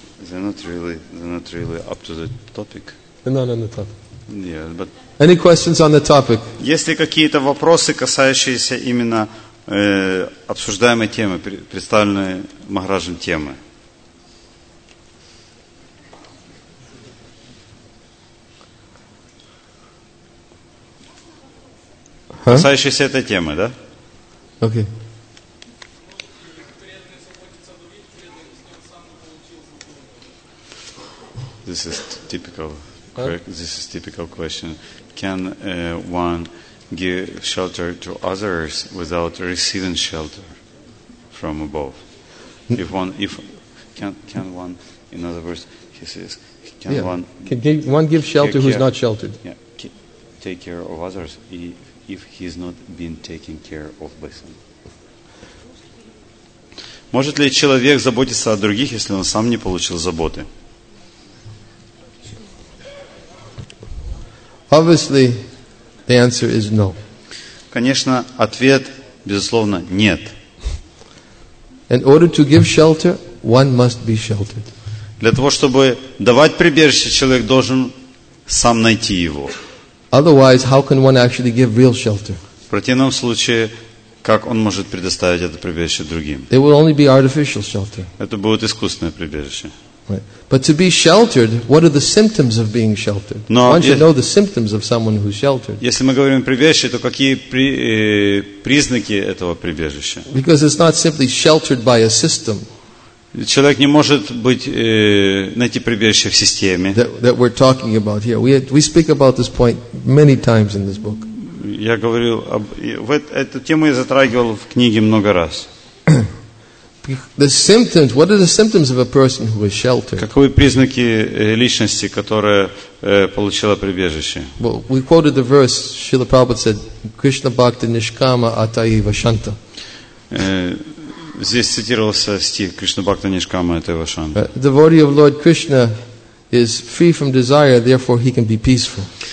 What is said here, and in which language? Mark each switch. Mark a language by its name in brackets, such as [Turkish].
[English] Really up to the topic. Not on the topic. Yeah, but any questions on the topic? [Russian] Есть ли какие-то вопросы, касающиеся именно обсуждаемой темы, представленной Махараджем темы? касающиеся этой темы, да? [English] Okay. This is typical. This is typical question. Can one give shelter to others without receiving shelter from above? If one can, in other words, he says, can one give shelter who's not sheltered? Yeah, take care of others if he's not been taken care of by someone. [Russian] Может ли человек заботиться о других, если он сам не получил заботы? [English] Obviously, the answer is no. [Russian] Конечно, ответ, безусловно, нет. [English] In order to give shelter, one must be sheltered. [Russian] Для того, чтобы давать прибежище, человек должен сам найти его. [English] Otherwise, how can one actually give real shelter? [Russian] В противном случае, как он может предоставить это прибежище другим? [English] It will only be artificial shelter. [Russian] Это будет искусственное прибежище. [English] Right. But to be sheltered, what are the symptoms of being sheltered? [Russian] Но [English] one should know the symptoms of someone who's sheltered. [Russian] Если мы говорим о прибежище, то какие признаки этого прибежища? [English] Because it's not simply sheltered by a system. [Russian] Человек не может быть найти прибежище в системе. [English] That we're talking about here. We speak about this point many times in this book. [Russian] Я говорил об эту тему я затрагивал в книге много раз. [English] The symptoms. What are the symptoms of a person who is sheltered? [Russian] Каковы признаки личности, которая получила прибежище? [English] Well, we quoted the verse. Srila Prabhupada said, [Bangla] "Krishna bhakti nishkama atayiva shanta." [Russian] Здесь цитировался стих [Bangla] Кришна бхакта нишкама атайва шанта. [English] The devotee of Lord Krishna is free from desire, therefore he can be peaceful.